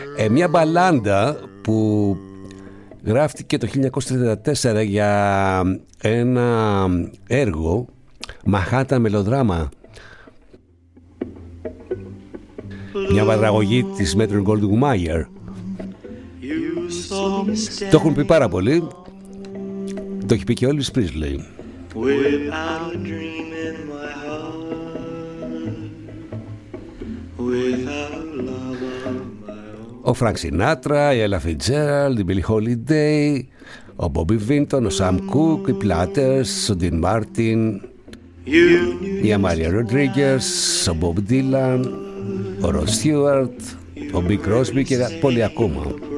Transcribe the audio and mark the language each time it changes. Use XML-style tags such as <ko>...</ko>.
<el>Μια μπαλάντα που γράφτηκε το 1934 για ένα έργο, Manhattan Melodrama. Μια παραγωγή της Metro Goldwyn Mayer. Το έχουν πει πάρα πολύ. Το έχει πει και ο Elvis Presley.</el> <en>Without a dream in my heart, without a love of my own.</en> <el>Ο Frank Sinatra, η Ella Fitzgerald, η Billie Holiday, ο Bobby Vinton, ο Sam Cooke, οι Platters, ο Dean Martin, η Amalia Rodriguez, ο Bob Dylan, ο Ρον Στιούαρτ, ο Μπιγκ Κρόσμπι και πολλοί ακόμα.</el>